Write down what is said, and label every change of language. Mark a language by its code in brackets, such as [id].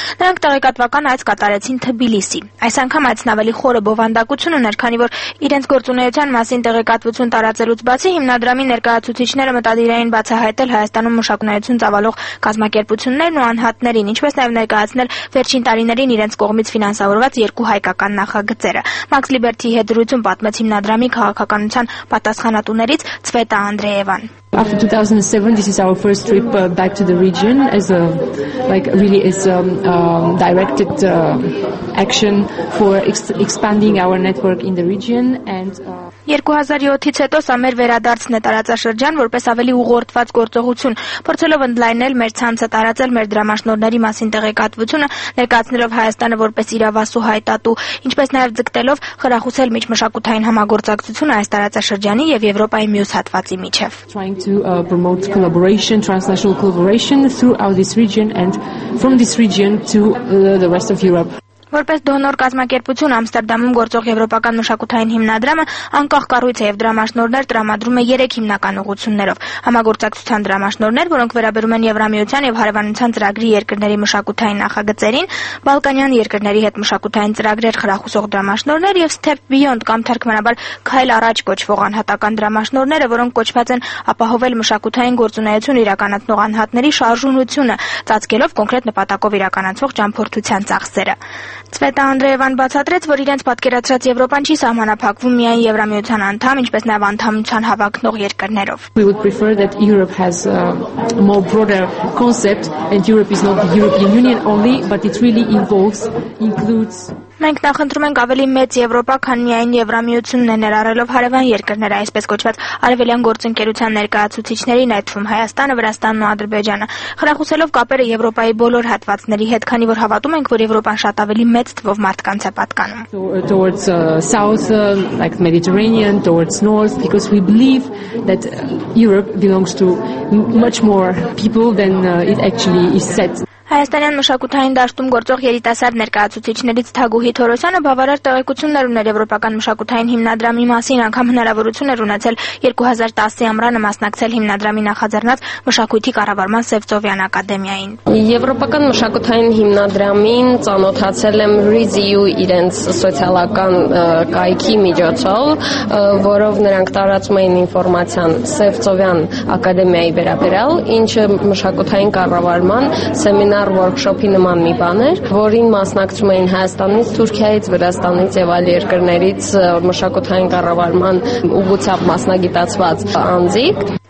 [hy] նրանք տեղեկատվական այց կատարեցին Թբիլիսի։ Այս անգամ այցն ավելի խորը բովանդակություն ուներ, քանի որ իրենց գործունեության մասին տեղեկատվություն տարածելուց բացի հիմնադրամի ներկայացուցիչները մտադիրային բացահայտել Հայաստանում մշակունայություն ծավալող կազմակերպություններն ու անհատներին, ինչպես նաև ներկայացնել վերջին տարիներին իրենց կողմից ֆինանսավորված երկու հայկական նախագծերը։ Մաքս Լիբերթի հետ զրույցում պատմեց հիմնադրամի քաղաքականության պատասխանատուներից Ցվետա Անդրեևան։ [en] After 2007, this is our first trip back to the region as a, like, really as a directed action for expanding our network in the region and... [hy] 2007-ից հետո սա մեր վերադարձն է տարածաշրջան որպես ավելի ուղղորդված գործողություն, փորձելով ընդլայնել մեր ցանցը տարածել մեր դրամաշնորհների մասին տեղեկատվությունը, ներկայացնելով Հայաստանը որպես իրավասու հայտատու, ինչպես նաև ձգտելով խրախուսել միջմշակութային համագործակցությունը այս տարածաշրջանի եւ Եվրոպայի մյուս հատվածի միջև։ [en] Trying to promote collaboration, transnational collaboration throughout this region and from this region to the rest of Europe. [hy] Որպես դոնոր կազմակերպություն Ամստերդամում գործող Եվրոպական մշակութային հիմնադրամը անկախ կառույց է եւ դրամաշնորներ տրամադրում է 3 հիմնական ուղղություններով. համագործակցության դրամաշնորներ, որոնք վերաբերում են Եվրամիության եւ Հարավանության ծրագրի երկրների մշակութային նախագծերին, Բալկանյան երկրների հետ մշակութային ծրագրեր խրախուսող դրամաշնորներ եւ Step Beyond կամ թարգմանաբար Քայլ առաջ կոչվող անհատական դրամաշնորները, որոնք կոչված են ապահովել մշակութային գործունեություն իրականացնող անհատների շարժունությունը, ծածկելով կոնկրետ նպատակով իրականացվող ճամփորդության ծախսերը։ Ցվետա Անդրեևան բացատրեց, որ իրենց պատկերացրած Եվրոպան չի սահմանափակվում միայն Եվրամիության անդամ, ինչպես նաև անդամության հավաքնող երկրներով։ [en] We would prefer that Europe has a more broader concept and Europe is not the European Union only, but it really involves includes [hy] Մենք նախընտրում ենք ավելի մեծ Եվրոպա, քան միայն Եվրամիությունն է, ներառելով հարևան երկրները, այսպես կոչված արևելյան գործընկերության ներկայացուցիչներին, այդ թվում Հայաստանը, Վրաստանն ու Ադրբեջանը, խրախուսելով կապերը Եվրոպայի բոլոր հատվածների հետ, քանի որ հավատում ենք, որ Եվրոպան շատ ավելի մեծ թվով մարդկանց է պատկանում։ [en] So towards south like Mediterranean, towards north, because we believe that Europe belongs to much more people than it actually is said. [hy] Հայաստանյան մշակութային դաշտում գործող երիտասարդ ներկայացուցիչներից Թագուհի Թորոսյանը բավարար տեղեկություններ ուներ Եվրոպական մշակութային հիմնադրամի մասին, անգամ հնարավորություն էր ունեցել 2010-ի ամռանը մասնակցել հիմնադրամի նախաձեռնած մշակույթի կառավարման Սևծովյան ակադեմիային։ Եվրոպական մշակութային հիմնադրամին ծանոթացել եմ Reziu իրենց սոցիալական կայքի միջոցով, որով նրանք տարածում էին ինֆորմացիան Սևծովյան ակադեմիայի վերաբերյալ, ինչը մշակութային կառավարման սեմինար workshop-ի նման մի բան էր, որին մասնակցում էին Հայաստանից, Թուրքիայից, Վրաստանից եւ այլ երկրներից մշակութային կառավարման ուղղությամբ մասնագիտացված անձիկ։